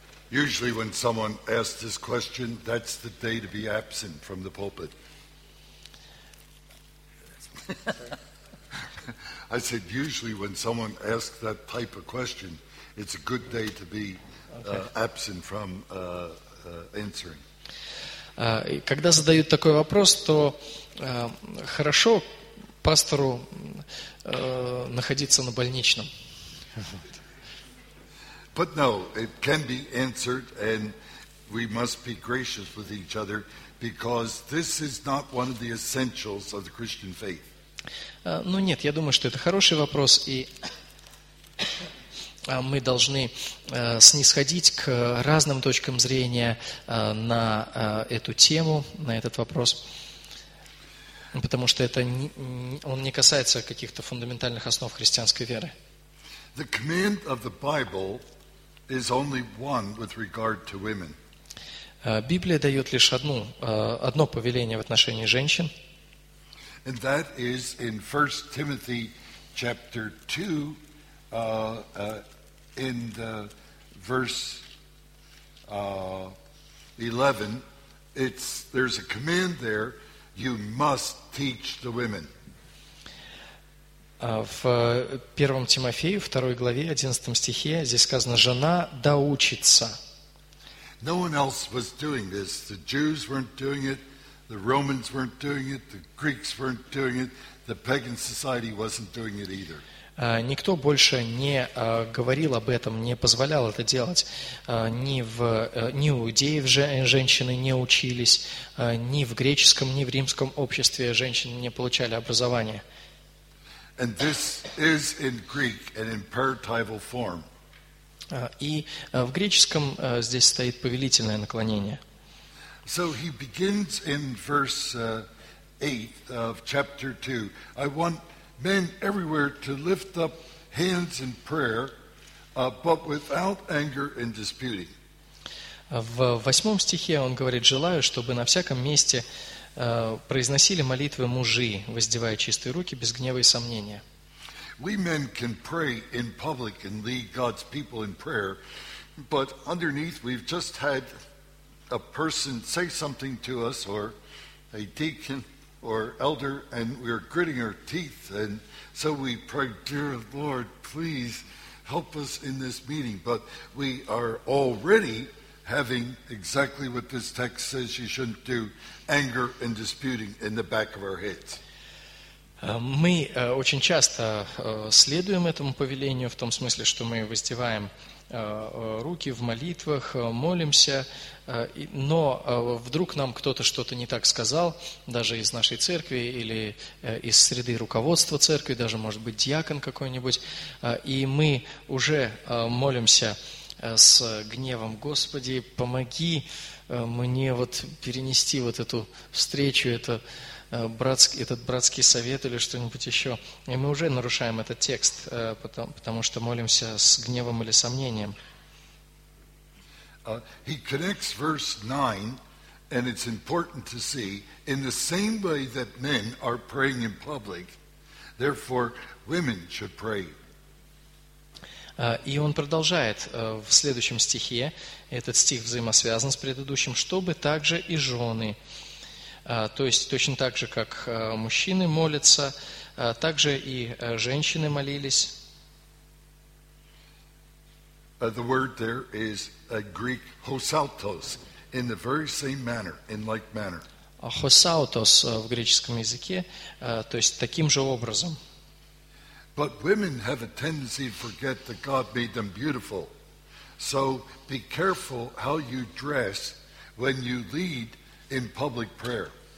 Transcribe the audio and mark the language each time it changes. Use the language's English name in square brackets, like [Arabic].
[English] Usually when someone asks this question, that's the day to be absent from the pulpit. I said usually when someone asks that type of question, it's a good day to be absent from answering. [Russian] Когда задают такой вопрос, то хорошо пастору находиться на больничном. [English] But no, it can be answered, and we must be gracious with each other, because this is not one of the essentials of the Christian faith. [Russian] Ну нет, я думаю, что это хороший вопрос, и мы должны снисходить к разным точкам зрения на эту тему, на этот вопрос, потому что это он не касается каких-то фундаментальных основ христианской веры. [English] The command of the Bible is only one with regard to women. [Russian] Библия дает лишь одно повеление в отношении женщин. [English] And that is in 1 Timothy chapter 2, in the verse 11, there's a command there, you must teach the women. [Russian] В 1 Тимофею, 2 главе, 11 стихе, здесь сказано, жена да учится. [English] No one else was doing this. The Jews weren't doing it, the Romans weren't doing it, the Greeks weren't doing it, the pagan society wasn't doing it either. [Russian] Никто больше не говорил об этом, не позволял это делать. Ни у иудеев женщины не учились, ни в греческом, ни в римском обществе женщины не получали образование. [English] And this is in Greek, an imperative form. [Russian] И в греческом здесь стоит повелительное наклонение. [English] So he begins in verse 8 of chapter 2. I want men everywhere to lift up hands in prayer, but without anger and disputing. [Russian] В восьмом стихе он говорит, желаю, чтобы на всяком месте произносили молитвы мужи, воздевая чистые руки без гнева и сомнения. [English] We men can pray in public and lead God's people in prayer, but underneath we've just had a person say something to us, or a deacon or elder, and we're gritting our teeth, and so we pray, dear Lord, please help us in this meeting, but we are already having exactly what this text says you shouldn't do, anger and disputing in the back of our heads. [Russian] Мы очень часто следуем этому повелению в том смысле, что мы воздеваем руки в молитвах, молимся, но вдруг нам кто-то что-то не так сказал, даже из нашей церкви или из среды руководства церкви, даже, может быть, диакон какой-нибудь, и мы уже молимся с гневом, Господи, помоги мне вот перенести вот эту встречу, этот братский совет или что-нибудь еще. И мы уже нарушаем этот текст, потому что молимся с гневом или сомнением. [English] He connects verse 9, and it's important to see, in the same way that men are praying in public, therefore women should pray. [Russian] И он продолжает в следующем стихе, этот стих взаимосвязан с предыдущим, чтобы также и жены, то есть точно так же, как мужчины молятся, также и женщины молились. [English] The word there is a Greek hosautos, in the very same manner, in like manner. [Russian] Hosautos в греческом языке, то есть таким же образом. [English] But women have a tendency to forget that God made them beautiful. So be careful how you dress when you lead in public prayer.